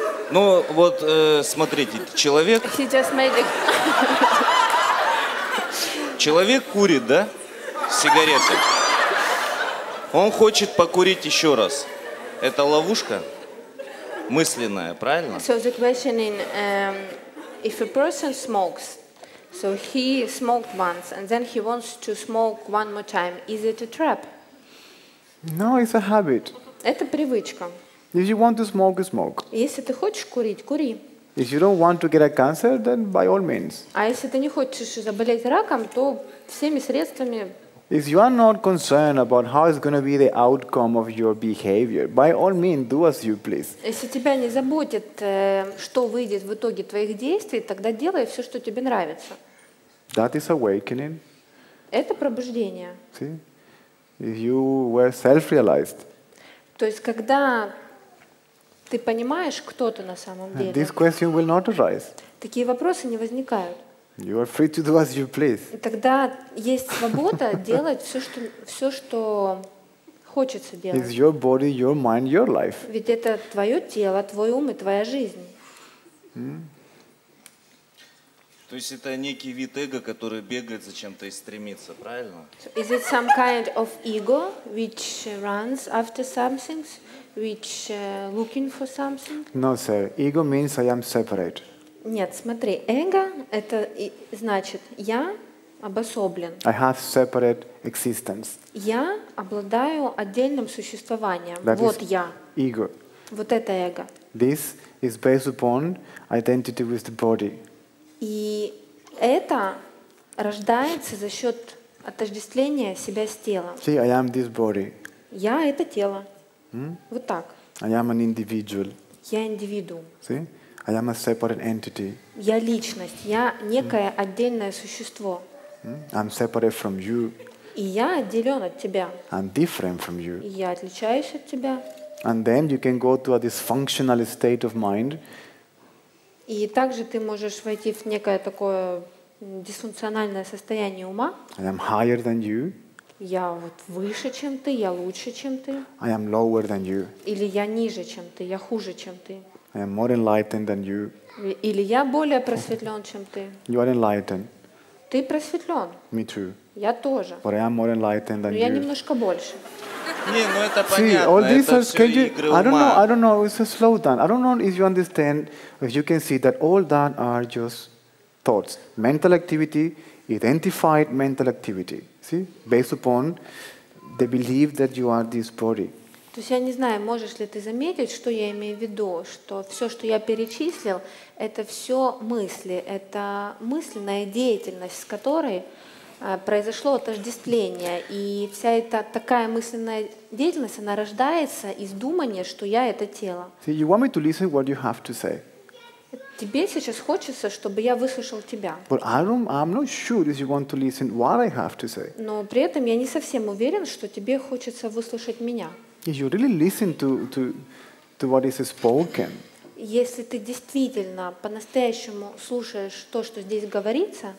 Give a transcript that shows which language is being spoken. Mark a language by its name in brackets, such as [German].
[Russian] Ну вот, смотрите, человек. Человек курит, да? Сигареты. Он хочет покурить еще раз. Это ловушка мысленная, правильно? [English] So the question is, if a person smokes, so he smoked once and then he wants to smoke one more time, is it a trap? No, it's a habit. [Russian] Это привычка. [English] If you want to smoke, smoke. [Russian] Если ты хочешь курить, кури. [English] If you don't want to get a cancer, then by all means. [Russian] А если ты не хочешь заболеть раком, то всеми средствами [English] If you are not concerned about how it's going to be the outcome of your behavior, by all means, do as you please. [Russian] Если тебя не заботит, что выйдет в итоге твоих действий, тогда делай все, что тебе нравится. [English] That is awakening. [Russian] Это пробуждение. [English] See? If you were self-realized. [Russian] То есть, когда ты понимаешь, кто ты на самом деле, [English] this question will not arise. [Russian] Такие вопросы не возникают. [English] You are free to do as you please. [Russian] Тогда есть свобода делать все, что хочется делать. [English] It's your body, your mind, your life. [Russian] Ведь это твое тело, твой ум и твоя жизнь. То есть это некий вид эго, который бегает за чем-то и стремится, правильно? [English] Is it some kind of ego which runs after something, which looking for something? No, sir. Ego means I am separate. [Russian] Нет, смотри, эго — это значит, я обособлен. [English] I have separate existence. [Russian] Я обладаю отдельным существованием. [English] That [Russian] вот [English] is [Russian] я. [English] Ego. [Russian] Вот это эго. [English] This is based upon identity with the body. [Russian] И это рождается за счет отождествления себя с телом. [English] See, I am this body. [Russian] Я — это тело. Вот так. [English] I am an individual. [Russian] Я индивидуум. [English] See? I am a separate entity. [Russian] Я личность, я некое отдельное существо. [English] I'm separate from you. [Russian] И я отделен от тебя. [English] I'm different from you. [Russian] И я отличаюсь от тебя. [English] And then you can go to a dysfunctional state of mind. [Russian] И также ты можешь войти в некое такое дисфункциональное состояние ума. [English] I am higher than you. [Russian] Я вот выше, чем ты, я лучше, чем ты. [English] I am lower than you. [Russian] Или я ниже, чем ты, я хуже, чем ты. [English] I am more enlightened than you. [Russian] Или я более просветлен, чем ты. [English] You are enlightened. [Russian] Ты просветлен. [English] Me too. [Russian] Я тоже. [English] But I am more enlightened than [Russian] но [English] you. [Russian] Я немножко больше. Не, ну это понятно. [English] See, all [Russian] это все [English] can [Russian] игры ума. [English] I don't know. It's a slow down. I don't know if you understand, if you can see that all that are just thoughts. Mental activity, identified mental activity. See? Based upon the belief that you are this body. [Russian] То есть я не знаю, можешь ли ты заметить, что я имею в виду, что все, что я перечислил, это все мысли, это мысленная деятельность, с которой произошло отождествление. И вся эта такая мысленная деятельность, она рождается из думания, что я — это тело. [English] See, you want me to listen what you have to say. [Russian] Тебе сейчас хочется, чтобы я выслушал тебя. [English] But I'm not sure if you want to listen what I have to say. [Russian] Но при этом я не совсем уверен, что тебе хочется выслушать меня. [English] If you really listen to what is spoken. [Russian] Если ты действительно по-настоящему слушаешь то, что здесь говорится.